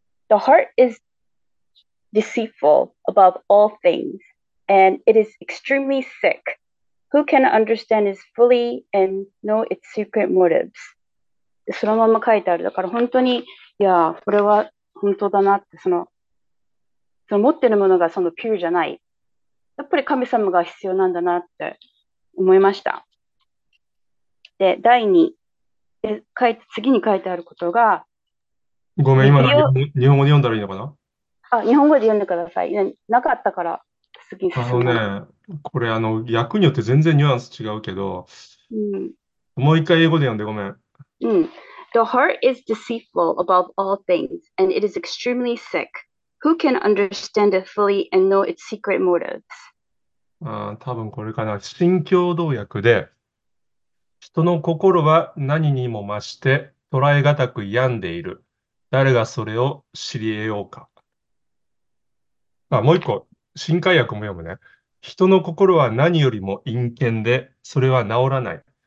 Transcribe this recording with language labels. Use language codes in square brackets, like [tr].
[en] The heart is deceitful above all things, and it is extremely sick. Who can understand it fully and know its secret motives? [ja] そのまま書いてある。だから本当に、いやー、これは本当だなって、その持ってるものがそのピュアじゃない。やっぱり神様が必要なんだなって思いました。で、第2で書いて、次に書いてあることが、ごめん、日今の曜、日本語で読んだらいいのかな？あ、日本語で読んでください。なかったから次に進む。これ訳によって全然ニュアンス違うけど、もう一回英語で読んで、ごめん。 [en] The heart is deceitful above all things, and it is extremely sick. Who can understand it fully and know its secret motives? [ja] 多分これかな。心境動訳で、人の心は何にも増して捉え難く病んでいる。誰がそれを知り得ようか。もう一個、新改訳も読むね。人の心は何よりも陰険で、それは治らない。